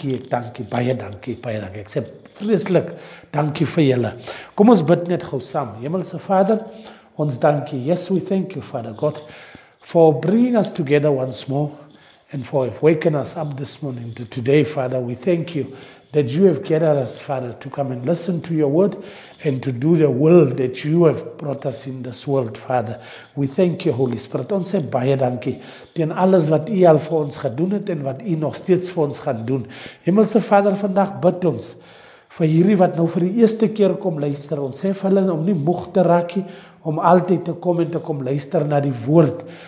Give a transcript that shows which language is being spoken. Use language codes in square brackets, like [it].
[af] Ek dankie, baie dankie. Ek sê vreselik dankie vir julle. Kom ons bid net gauw saam. Hemelse Vader, ons dankie. [en] Yes, we thank you, Father God, for bringing us together once more and for waking us up this morning to today, Father. We thank you that you have gathered us, Father, to come and listen to your word and to do the will that you have brought us in this world, Father. We thank you, Holy Spirit. [af] Ons sê baie dankie teen alles wat u al vir ons gedoen het en wat u nog steeds vir ons gaan doen. Hemelse Vader, vandag bid ons vir hierdie wat nou vir die eerste keer kom luister. Ons sê vir hulle om nie moeg te raak nie, om altyd te kom en te kom luister na die woord.